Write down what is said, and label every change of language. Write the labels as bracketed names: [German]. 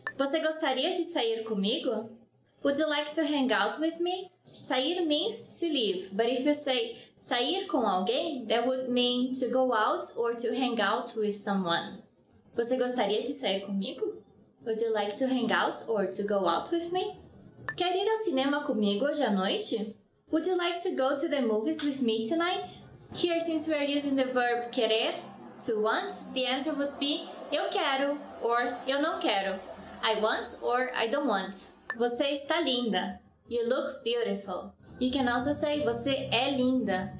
[English] Você gostaria de sair comigo? Would you like to hang out with me? Sair means to leave, but if you say sair com alguém, that would mean to go out or to hang out with someone. Você gostaria de sair comigo? Would you like to hang out or to go out with me? [Portuguese] Quer ir ao cinema comigo hoje à noite? [English] Would you like to go to the movies with me tonight? Here, since we are using the verb querer, to want, the answer would be eu quero or eu não quero. I want or I don't want. Você está linda. You look beautiful. You can also say você é linda.